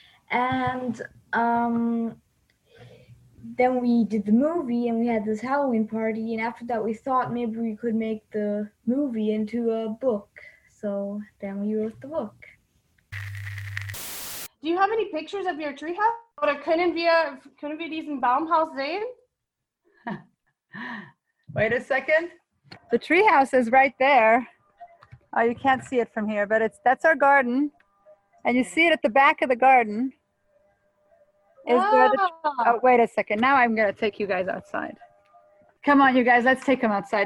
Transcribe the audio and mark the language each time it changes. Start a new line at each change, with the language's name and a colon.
English: And then we did the movie and we had this Halloween party. And after that, we thought maybe we could make the movie into a book. So then we wrote the book. Do you have any pictures of your treehouse?
German: Oder können wir diesen Baumhaus sehen?
English: Wait a second. The treehouse is right there. Oh, you can't see it from here, but that's our garden. And you see it at the back of the garden. Wait a second. Now I'm going to take you guys outside. Come on, you guys, let's take them outside.